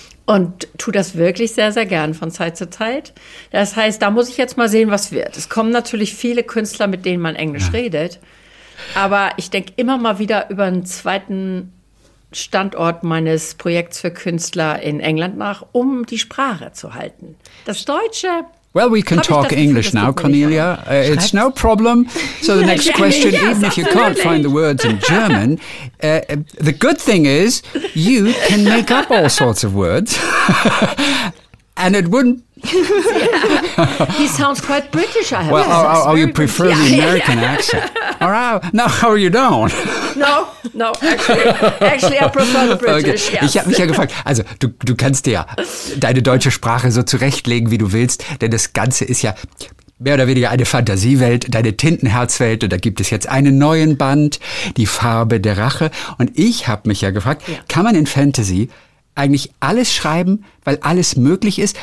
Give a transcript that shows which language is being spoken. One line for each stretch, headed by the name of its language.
German: Und tue das wirklich sehr, sehr gern von Zeit zu Zeit. Das heißt, da muss ich jetzt mal sehen, was wird. Es kommen natürlich viele Künstler, mit denen man Englisch redet. Aber ich denke immer mal wieder über einen zweiten Standort meines Projekts für Künstler in England nach, um die Sprache zu halten. Das Deutsche,
English: Well, we can talk English now, Cornelia. It's no problem. So the next question, even if you can't find the words in German, the good thing is you can make up all sorts of words. And it wouldn't... He sounds quite British, I have to say. Well, or you prefer the American accent. Or how you don't. No, actually I prefer the British, okay.
German: Ich habe mich ja gefragt, also du kannst dir ja deine deutsche Sprache so zurechtlegen, wie du willst, denn das Ganze ist ja mehr oder weniger eine Fantasiewelt, deine Tintenherzwelt, und da gibt es jetzt einen neuen Band, die Farbe der Rache. Und ich habe mich ja gefragt, kann man in Fantasy eigentlich alles schreiben, weil alles möglich ist?